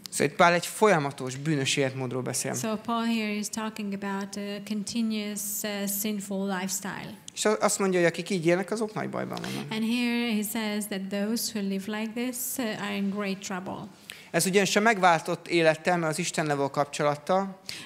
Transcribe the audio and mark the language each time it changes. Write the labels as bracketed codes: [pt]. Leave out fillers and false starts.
[hu] So itt Pál egy folyamatos bűnös életmódról beszél. [en] So Paul here is talking about a continuous sinful lifestyle. [hu] És azt mondja, hogy akik így élnek, azok nagy bajban vannak. [en] And here he says that those who live like this are in great trouble. [hu] Ez ugyanis a megváltott élettel, mert az Istennel való kapcsolattal.